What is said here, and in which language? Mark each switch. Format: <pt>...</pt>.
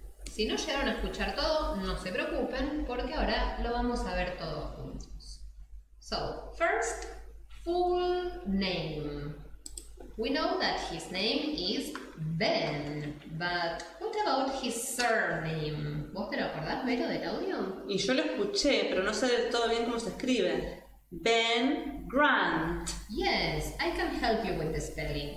<es>Si no llegaron a escuchar todo, no se preocupen porque ahora lo vamos a ver todo juntos.</es> <en>So, first, full name. We know that his name is Ben, but what about his surname?</en> <es>¿Vos te lo acordás, Vero, del audio? Y yo lo escuché, pero no sé del todo bien cómo se escribe.</es> <en>Ben Grant. Yes, I can help you with the spelling.</en>